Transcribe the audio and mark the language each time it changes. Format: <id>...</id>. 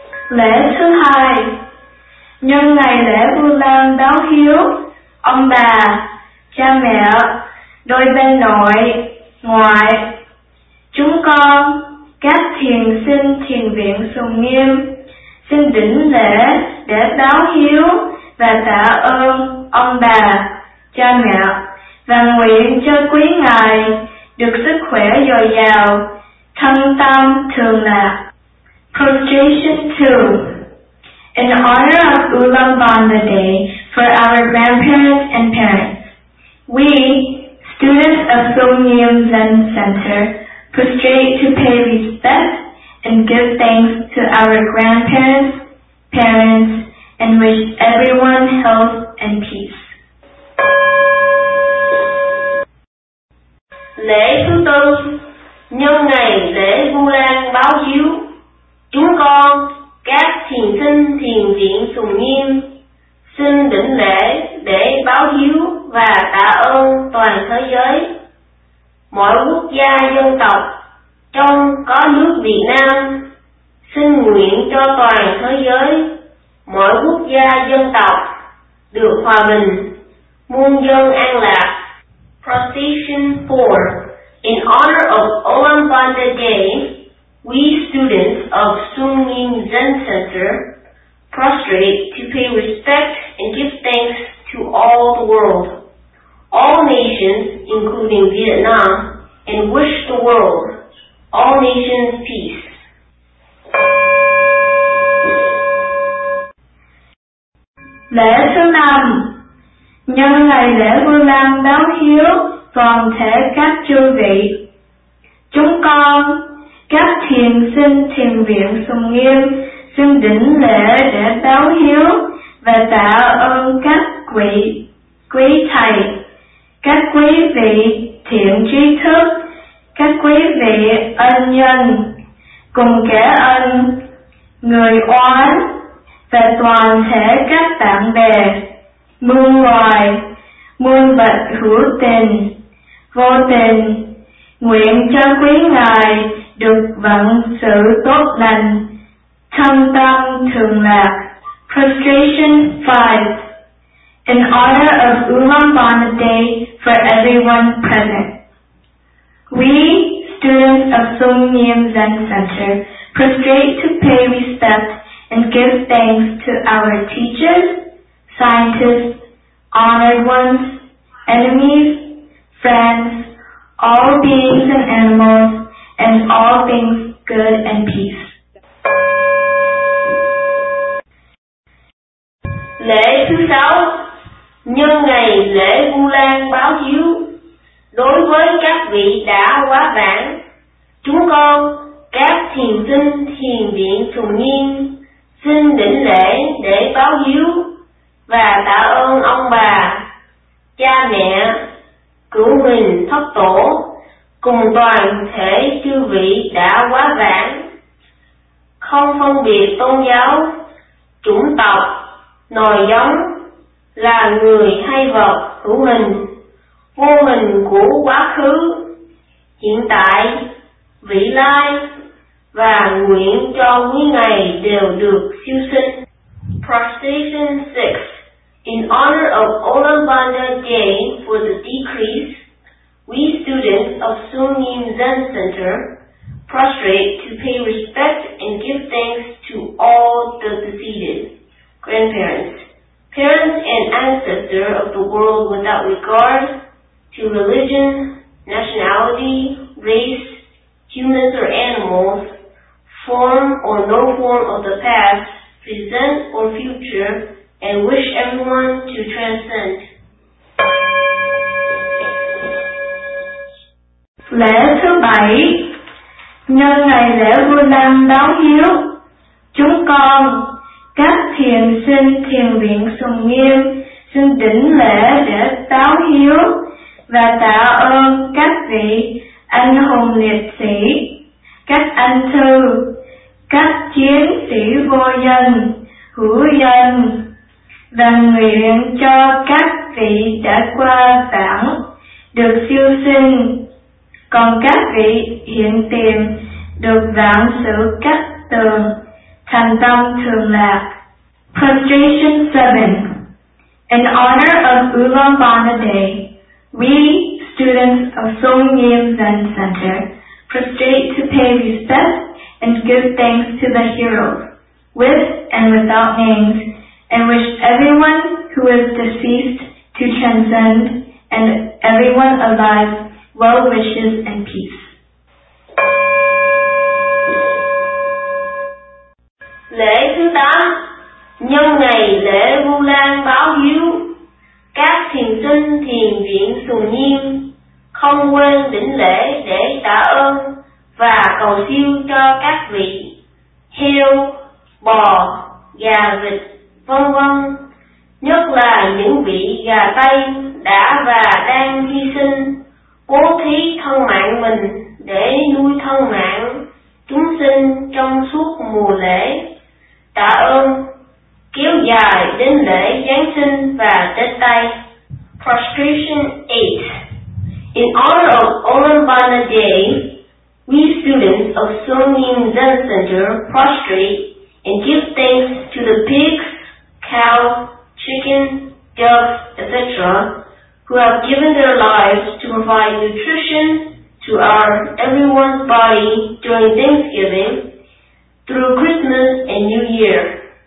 <vi>Lễ thứ hai, nhân ngày lễ Vu Lan báo hiếu, ông bà, cha mẹ, đôi bên nội, ngoại, chúng con, các thiền sinh thiền viện Sùng Nghiêm, xin đỉnh lễ để báo hiếu và tạ ơn ông bà, cha mẹ, và nguyện cho quý ngài được sức khỏe dồi dào, thân tâm thường lạc.</vi> <en>Prostration 2. In honor of Ulan Bana Day, for our grandparents and parents, we, students of Sonyam Zen Center, prostrate to pay respect and give thanks to our grandparents, parents, and wish everyone health and peace.</en> <vi>Lễ thứ tư, nhân ngày lễ Vu Lan báo hiếu, chúng con, các thiền sinh thiền viện Sùng Nghiêm, xin đỉnh lễ để báo hiếu và tạ ơn toàn thế giới, mọi quốc gia dân tộc, trong có nước Việt Nam, xin nguyện cho toàn thế giới, mọi quốc gia dân tộc, được hòa bình, muôn dân an lạc.</vi> <en>Procession 4. In honor of Ulan Bana Day, we students of Sunyin Zen Center prostrate to pay respect and give thanks to all the world, all nations including Vietnam, and wish the world, all nations peace.</en> <vi>Lễ thứ năm, nhân ngày lễ Vu Lan báo hiếu toàn thể các chư vị, chúng con, các thiền sinh thiền viện Sùng Nghiêm, xin đỉnh lễ để báo hiếu và và tạ ơn các quý quý thầy, các quý vị thiện trí thức, các quý vị ân nhân, cùng kể ơn người oán và toàn thể các bạn bè muôn loài muôn vật hữu tình vô tình, nguyện cho quý ngài được vận sự tốt lành, thâm tâm thường lạc.</vi> <en>Prostration 5. In honor of Ulambana Day for everyone present, we, students of Songnyim Zen Center, prostrate to pay respect and give thanks to our teachers, scientists, honored ones, enemies, friends, all beings and animals, and all things good and peace.</en> <vi>Lễ thứ sáu, nhân ngày lễ Vu Lan báo hiếu. Đối với các vị đã quá vãng, chúng con, các thiền sinh thiền viện thường niên, xin đỉnh lễ để báo hiếu và tạ ơn ông bà, cha mẹ, cửu huynh thất tổ cùng toàn thể chư vị đã quá vãng, không phân biệt tôn giáo, chủng tộc, nòi giống, là người hay vật hữu hình, vô hình của quá khứ, hiện tại, vị lai, và nguyện cho quý ngày đều được siêu sinh.</vi> <en>Prostration 6. In honor of Ulambana Day for the decrease, we students of Songnyim Zen Center prostrate to pay respect and give thanks to all the deceased. Grandparents, parents and ancestors of the world without regard to religion, nationality, race, humans or animals, form or no form of the past, present or future, and wish everyone to transcend.</en> <vi>Lễ thứ bảy, nhân ngày lễ Vu Lan báo hiếu, chúng con, các thiền sinh thiền viện Sùng Nghiêm, xin đỉnh lễ để báo hiếu và tạ ơn các vị anh hùng liệt sĩ, các anh thư, các chiến sĩ vô danh, hữu danh, và nguyện cho các vị đã qua vãng được siêu sinh, còn các vị hiện tiền được vãng sự cát tường, thành tâm thường lạc.</vi> <en>Prostration 7. In honor of Ulambana Day, we, students of Songnyim Zen Center, prostrate to pay respect and give thanks to the heroes, with and without names, and wish everyone who is deceased to transcend, and everyone alive, well wishes and peace.</en> <vi>Lễ thứ tám, nhân ngày lễ Vu Lan báo hiếu, các thiền sinh thiền viện Sùng Nhiên không quên đỉnh lễ để tạ ơn và cầu siêu cho các vị heo, bò, gà vịt, vân vân, nhất là những vị gà Tây đã và đang hy sinh, cố thí thân mạng mình để nuôi thân mạng chúng sinh trong suốt mùa lễ, tạ ơn kéo dài đến lễ Giáng sinh và Tết Tây.</vi> <en>Prostration 8. In honor of Ulambana Day, we students of Songnyim Zen Center prostrate and give thanks to the pigs, cows, chickens, doves, etc., who have given their lives to provide nutrition to our everyone's body during Thanksgiving, through Christmas and New Year.</en>